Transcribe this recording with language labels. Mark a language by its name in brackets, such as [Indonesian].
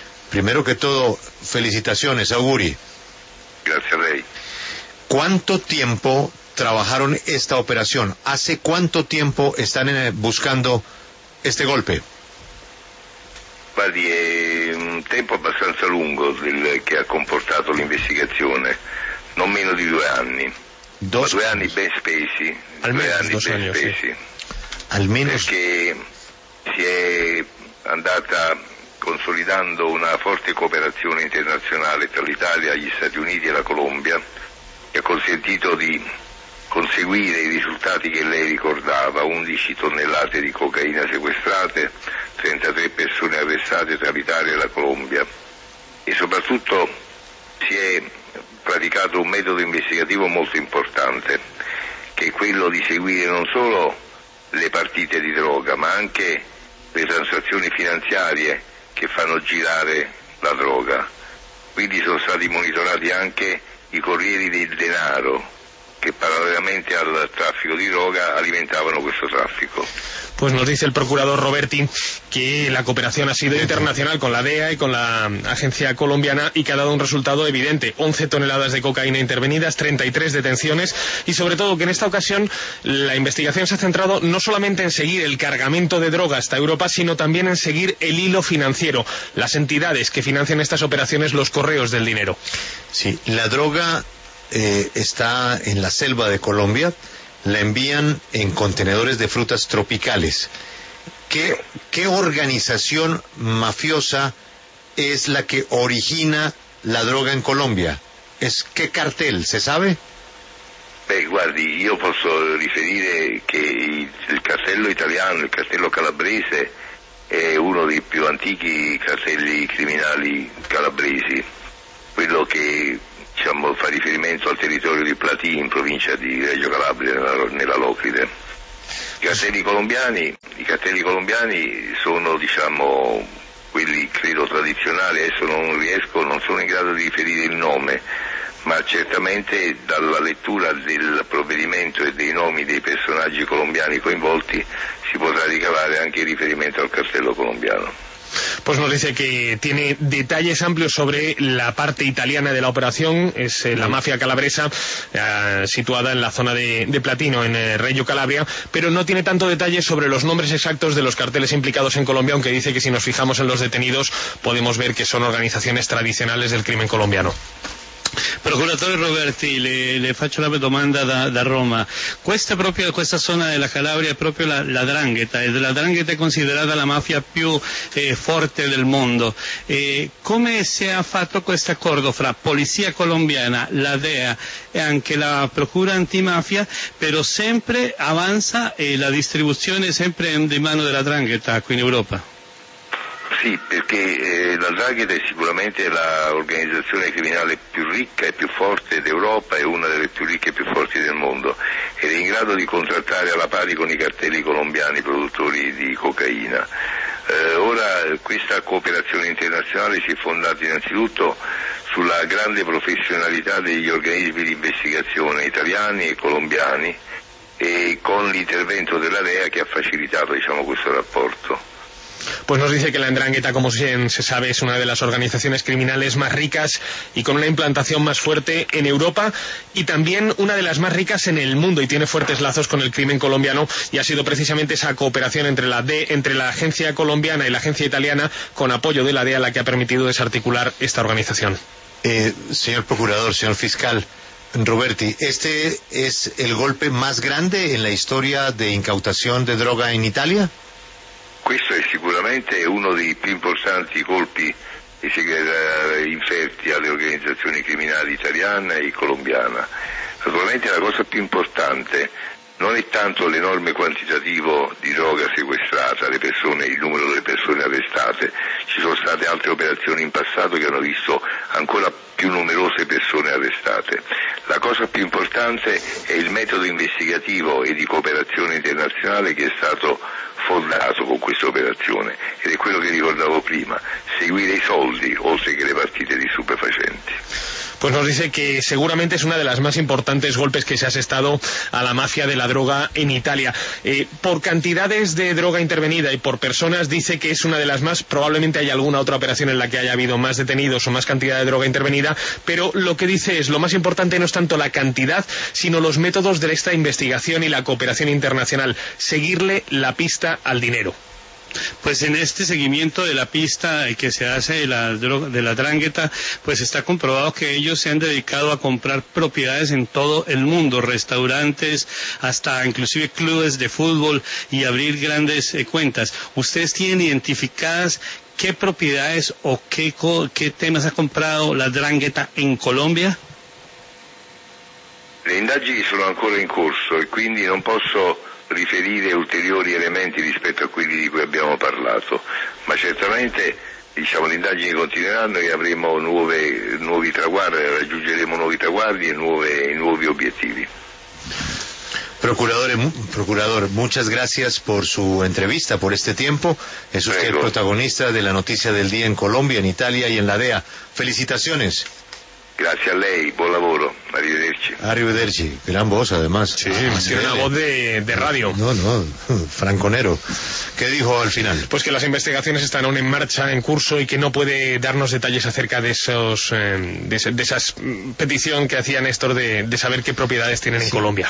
[Spanish] Primero que todo, felicitaciones, [Italian] auguri. [Spanish] Gracias, rey. ¿Cuánto tiempo trabajaron esta operación? ¿Hace cuánto tiempo están buscando este golpe? [Italian] Guardi, è un tempo abbastanza lungo che ha comportato l'investigazione, non meno di 2 anni. Due anni ben spesi. Almeno perché si è andata consolidando una forte cooperazione internazionale tra l'Italia, gli Stati Uniti e la Colombia, che ha consentito di conseguire i risultati che lei ricordava: 11 tonnellate di cocaina sequestrate, 33 persone arrestate tra l'Italia e la Colombia, e soprattutto si è praticato un metodo investigativo molto importante, che è quello di seguire non solo le partite di droga, ma anche le transazioni finanziarie che fanno girare la droga. Quindi sono stati monitorati anche i corrieri del denaro, che parallelamente al traffico di droga alimentavano questo traffico. [Spanish] Pues nos dice el procurador Roberti que la cooperación ha sido internacional con la DEA y con la agencia colombiana y que ha dado un resultado evidente: 11 toneladas de cocaína intervenidas, 33 detenciones y sobre todo que en esta ocasión la investigación se ha centrado no solamente en seguir el cargamento de droga hasta Europa, sino también en seguir el hilo financiero, las entidades que financian estas operaciones, los correos del dinero. Sí, la droga está en la selva de Colombia, la envían en contenedores de frutas tropicales. ¿Qué organización mafiosa es la que origina la droga en Colombia? ¿Es qué cartel, se sabe? [Italian] Guardi, yo posso riferire que el cartello italiano, el cartello calabrese, es uno dei più antichi cartelli criminali calabresi, quello che diciamo fa riferimento al territorio di Platì, in provincia di Reggio Calabria, nella Locride. I cartelli colombiani sono, diciamo, quelli credo tradizionali, adesso non sono in grado di riferire il nome, ma certamente dalla lettura del provvedimento e dei nomi dei personaggi colombiani coinvolti si potrà ricavare anche il riferimento al cartello colombiano. [Spanish] Pues nos dice que tiene detalles amplios sobre la parte italiana de la operación, es la mafia calabresa situada en la zona de Platino, en Reggio Calabria, pero no tiene tanto detalle sobre los nombres exactos de los carteles implicados en Colombia, aunque dice que si nos fijamos en los detenidos podemos ver que son organizaciones tradicionales del crimen colombiano. [Italian] Procuratore Roberti, le faccio una domanda da Roma. Questa zona della Calabria è proprio la 'Ndrangheta, e la 'Ndrangheta è considerata la mafia più forte del mondo. Come si è fatto questo accordo fra Polizia Colombiana, la DEA e anche la Procura Antimafia, però sempre avanza e la distribuzione è sempre di mano della 'Ndrangheta qui in Europa? Sì, perché la 'Ndrangheta è sicuramente l'organizzazione criminale più ricca e più forte d'Europa, è una delle più ricche e più forti del mondo ed è in grado di contrattare alla pari con i cartelli colombiani produttori di cocaina. Ora, questa cooperazione internazionale si è fondata innanzitutto sulla grande professionalità degli organismi di investigazione italiani e colombiani e con l'intervento della DEA che ha facilitato, diciamo, questo rapporto. [Spanish] Pues nos dice que la 'Ndrangheta, como se sabe, es una de las organizaciones criminales más ricas y con una implantación más fuerte en Europa y también una de las más ricas en el mundo y tiene fuertes lazos con el crimen colombiano y ha sido precisamente esa cooperación entre la agencia colombiana y la agencia italiana con apoyo de la DEA la que ha permitido desarticular esta organización. Señor procurador, señor fiscal Roberti, ¿este es el golpe más grande en la historia de incautación de droga en Italia? [Italian] Questo è sicuramente uno dei più importanti colpi inferti alle organizzazioni criminali italiana e colombiana. Naturalmente la cosa più importante non è tanto l'enorme quantitativo di droga sequestrata, il numero delle persone arrestate. Ci sono state altre operazioni in passato che hanno visto ancora più numerose persone arrestate. La cosa più importante è il metodo investigativo e di cooperazione internazionale che è stato affondato con questa operazione, ed è quello che ricordavo prima, seguire i soldi oltre che le partite di stupefacenti. [Spanish] Pues nos dice que seguramente es una de las más importantes golpes que se ha asestado a la mafia de la droga en Italia. Por cantidades de droga intervenida y por personas, dice que es una de las más, probablemente haya alguna otra operación en la que haya habido más detenidos o más cantidad de droga intervenida, pero lo que dice es, lo más importante no es tanto la cantidad, sino los métodos de esta investigación y la cooperación internacional, seguirle la pista al dinero. Pues en este seguimiento de la pista que se hace de la droga, de la 'ndrangheta, pues está comprobado que ellos se han dedicado a comprar propiedades en todo el mundo, restaurantes, hasta inclusive clubes de fútbol, y abrir grandes cuentas. ¿Ustedes tienen identificadas qué propiedades o qué temas ha comprado la 'ndrangheta en Colombia? [Italian] Le indagini sono ancora in corso e quindi non posso riferire ulteriori elementi rispetto a quelli di cui abbiamo parlato, ma certamente, diciamo, le indagini continueranno e avremo nuovi traguardi, raggiungeremo nuovi traguardi e nuovi obiettivi. Procuratore, [Spanish] muchas gracias por su entrevista, por este tiempo. Es usted el protagonista de la noticia del día en Colombia, en Italia y en la DEA. Felicitaciones. Gracias [Italian] a lei, buon lavoro, arrivederci. Arrivederci, [Spanish] gran voz además. Sí, tiene una voz de radio. No, Franco Nero. ¿Qué dijo al final? Pues que las investigaciones están aún en marcha, en curso, y que no puede darnos detalles acerca de esos de esas petición que hacía Néstor de saber qué propiedades tienen, sí, en Colombia.